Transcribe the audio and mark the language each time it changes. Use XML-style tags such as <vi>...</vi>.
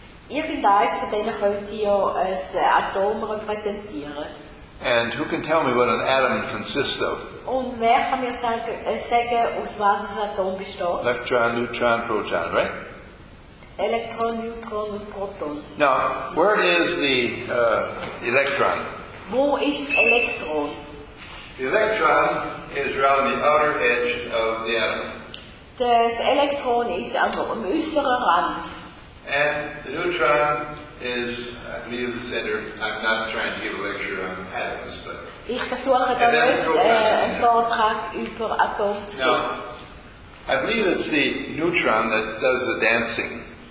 <de>Irgendeines von denen könnte ja ein Atom repräsentieren.</de> <en>And who can tell me what an atom consists of?</en> <de>Und wer kann mir sagen, aus was ein Atom besteht?</de> <en>Electron, neutron, proton, right?</en> <de>Electron, neutron und proton.</de> <en>Now, where is the electron?</en> <de>Wo ist Elektron?</de> <en>The electron is around the outer edge of the atom.</en> <de>Das Elektron ist also am äußeren Rand.</de> <en>And the neutron is, I believe, the center. I'm not trying to give a lecture on atoms, but.</en> <de>Ich versuche da einen Vortrag über Atom zu geben.</de> <en>I believe it's the neutron that does the dancing.</en>